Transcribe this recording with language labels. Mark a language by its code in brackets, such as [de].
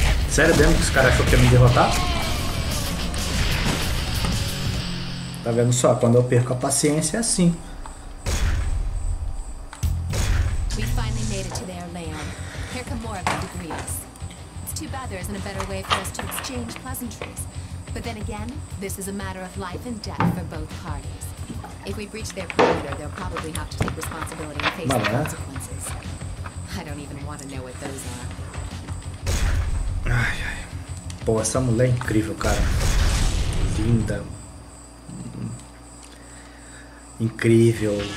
[pt] Sério mesmo que os caras acham que ia me derrotar? Tá vendo só? Quando eu perco a paciência é assim. [en] We finally made it to their land. Here come more of them to greet us. It's too bad there isn't a better way for us to exchange pleasantries. But then again, this is a matter of life and death for both parties. If we breach their perimeter, they'll probably have to take responsibility and face the consequences. I don't even want to know what those are. Ai, ai. [pt] Pô, essa mulher é incrível, cara. Linda. Incrível.